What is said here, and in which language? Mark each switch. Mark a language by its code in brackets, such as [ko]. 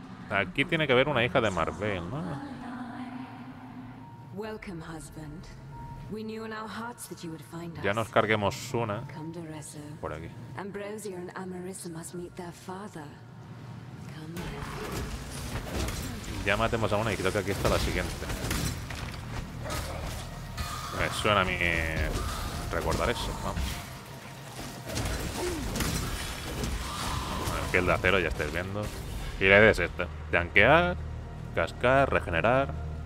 [es] Aquí tiene que haber una hija de Marvel, ¿no? [en] Welcome, husband. We knew in our hearts that you would find us. [es] Ya nos carguemos una por aquí. [en] Ambrosia and Amarissa must meet their father. Come on. [es] Ya matemos a una y creo que aquí está la siguiente. Me suena a mí recordar eso, vamos. Bueno, piel de acero, ya estáis viendo. Y la idea es esta: tanquear, cascar, regenerar.